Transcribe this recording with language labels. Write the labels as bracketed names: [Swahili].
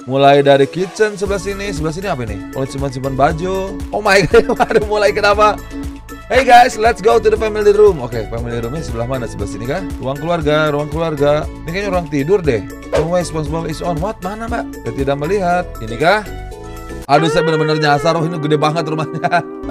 [Indonesian] Mulai dari kitchen sebelah sini apa ini? Oh, simpan-simpan baju. [English] Oh my god, [Indonesian] aduh mulai kenapa? [English] Hey guys, let's go to the family room. [Indonesian] Oke, okay, family roomnya sebelah mana? Sebelah sini kah? Ruang keluarga, ruang keluarga. Ini kayaknya ruang tidur deh. [English] Oh my, SpongeBob is on. [Indonesian] What, mana mbak? Dia tidak melihat. Ini kah? Aduh, saya benar-benar nyasar. Oh, ini gede banget rumahnya.